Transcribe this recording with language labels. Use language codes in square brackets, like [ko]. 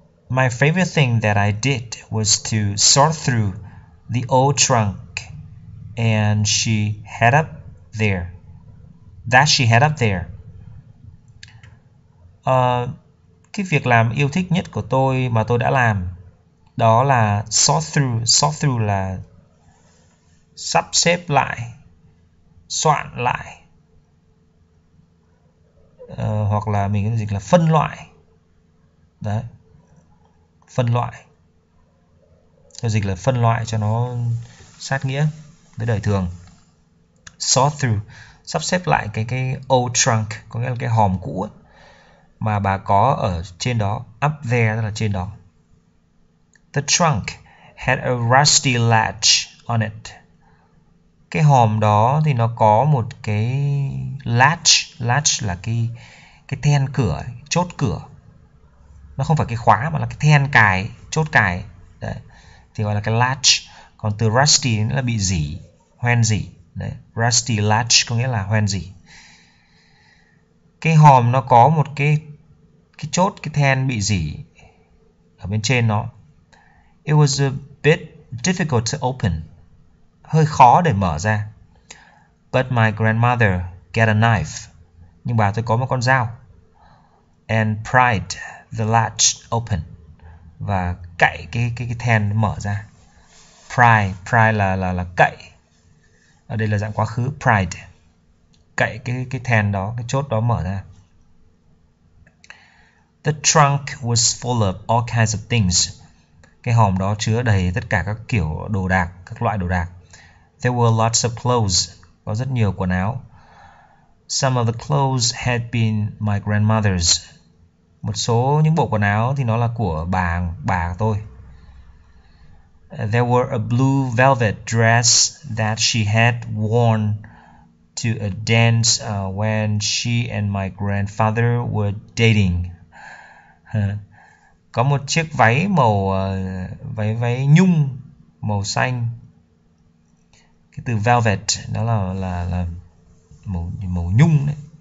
[en] My favorite thing that I did was to sort through the old trunk and she had up there. That she had up there. [vi] Cái việc làm yêu thích nhất của tôi mà tôi đã làm đó là [en] sort through. [vi] Sort through là sắp xếp lại, soạn lại, hoặc là mình có dịch là phân loại. Đấy, phân loại, tôi dịch là phân loại cho nó sát nghĩa với đời thường. Sort through, sắp xếp lại cái old trunk, có nghĩa là cái hòm cũ ấy, mà bà có ở trên đó. Up there là trên đó. [en] The trunk had a rusty latch on it. [vi] Cái hòm đó thì nó có một cái latch. Latch là cái then cửa, chốt cửa. Nó không phải cái khóa mà là cái then cài, chốt cài. Đấy. Thì gọi là cái latch. Còn từ rusty là bị dỉ, hoen dỉ. Đấy. Rusty latch có nghĩa là hoen dỉ. Cái hòm nó có một cái chốt, cái then bị dỉ ở bên trên nó. [en] It was a bit difficult to open. [vi] Hơi khó để mở ra. [en] But my grandmother got a knife. [vi] Nhưng bà tôi có một con dao. [en] And pried the latch open. [vi] Và cậy cái then mở ra. Pry, pry là cậy. Ở đây là dạng quá khứ, pried. Cậy cái then đó, cái chốt đó mở ra. [en] The trunk was full of all kinds of things. [vi] Cái hòm đó chứa đầy tất cả các kiểu đồ đạc, các loại đồ đạc. [en] There were lots of clothes. [vi] Có rất nhiều quần áo. [en] Some of the clothes had been my grandmother's. [vi] Một số những bộ quần áo thì nó là của bà tôi. [en] There were a blue velvet dress that she had worn to a dance when she and my grandfather were dating. [vi] có một chiếc váy màu váy váy nhung màu xanh. Cái từ velvet đó là màu màu nhung đấy.